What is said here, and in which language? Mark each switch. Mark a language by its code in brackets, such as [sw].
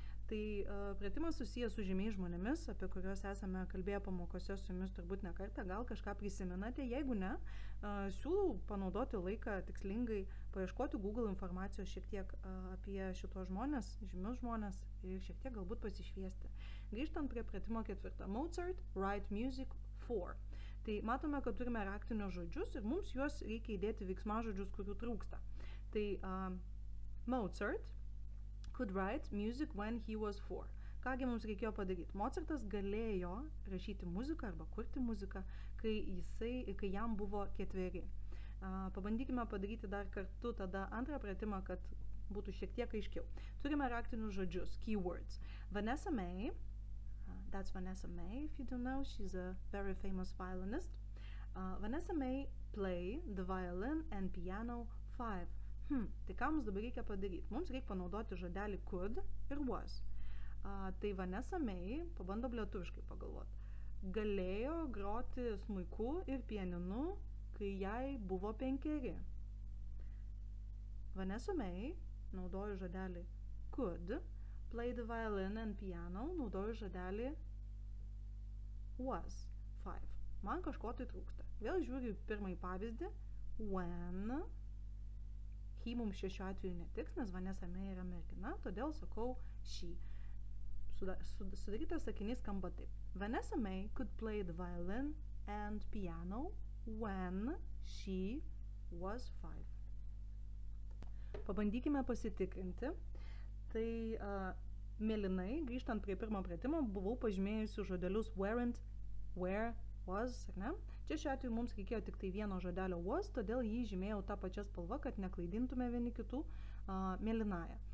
[lt] Tai pratimas susijęs su žymiais žmonėmis, apie kuriuos esame kalbėję pamokose su jumis turbūt ne kartą, gal kažką prisimenate, jeigu ne, siūlau panaudoti laiką tikslingai, paieškoti Google informacijos šiek tiek apie šitos žmonės, žymius žmonės ir šiek tiek galbūt pasišviesti. Grįžtant prie pratimo ketvirtą, Mozart [en] write music for. [lt] Tai matome, kad turime raktinius žodžius ir mums juos reikia įdėti veiksmažodžius, kurių trūksta. [en] Tai Mozart could write music when he was four. [lt] Kągi mums reikėjo padaryti? Mozartas galėjo rašyti muziką arba kurti muziką, kai jam buvo ketveri. Pabandykime padaryti dar kartu tada antrą pratimą, kad būtų šiek tiek aiškiau. Turime raktinius žodžius, keywords. [en] Vanessa May, that's Vanessa May, if you don't know, she's a very famous violinist. Vanessa May play the violin and piano 5. [lt] Tai ką mums dabar reikia padaryti? Mums reikia panaudoti žodelį could ir was. Tai Vanessa May, pabandom lietuviškai pagalvoti, galėjo groti smuiku ir pianinu, kai jai buvo 5. [en] Vanessa May, [lt] naudoju žodelį [en] could, play the violin and piano, naudoju žodelį was 5. [lt] Man kažko tai trūksta. Vėl žiūriu pirmąjį pavyzdį, when. Į mums šiuo atveju netiks, nes Vanessa May yra mergina, todėl sakau šį. Sudarytas sakinys skamba taip. [en] Vanessa May could play the violin and piano when she was 5. [lt] Pabandykime pasitikrinti. Tai mėlinai, grįžtant prie pirmo pratimo, buvau pažymėjusi žodelius weren't, where, was, ar ne? Čia šiuo atveju mums reikėjo tik tai vieno žodelio was, todėl jį žymėjau tą pačią spalvą, kad neklaidintume vieni kitų mėlynąją.